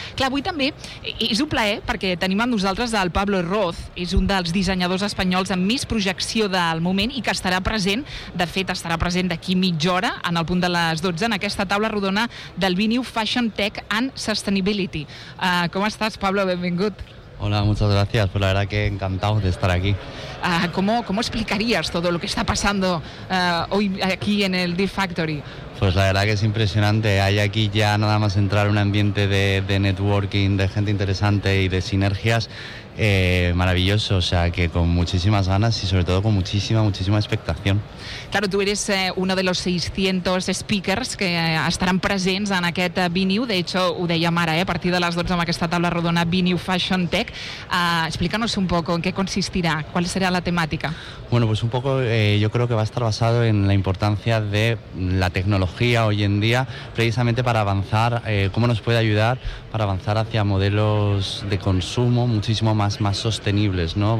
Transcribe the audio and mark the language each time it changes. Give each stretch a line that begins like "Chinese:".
Catalan: Clar, avui també és un plaer, perquè tenim amb nosaltres el Pablo Roth, és un dels dissenyadors espanyols amb més projecció del moment i que estarà present, de fet estarà present d'aquí mitja hora, en el punt de les 12, en aquesta taula rodona del Viniu Fashion Tech and Sustainability. Com estàs, Pablo? Benvingut.
Spanish: Hola, muchas gracias. Pues la verdad que encantado de estar aquí. ¿Cómo explicarías todo lo que está pasando hoy aquí en el D-Factory? Pues la verdad que es impresionante. Hay aquí ya nada más entrar un ambiente de networking, de gente interesante y de sinergias maravilloso. O sea, que con muchísimas ganas y sobre todo con muchísima expectación. Claro, tú eres uno de los 600 speakers que estarán presentes en
Catalan: aquest
Spanish: Viniu. De hecho,
Catalan: ho dèiem ara, a partir de les 12 amb aquesta taula rodona Viniu Fashion Tech.
Spanish: Explícanos un poco en qué consistirá, cuál será la temática. Bueno, pues un poco yo creo que va a estar basado en la importancia de la tecnología hoy en día, precisamente para avanzar, cómo nos puede ayudar para avanzar hacia modelos de consumo muchísimo más sostenibles, ¿no?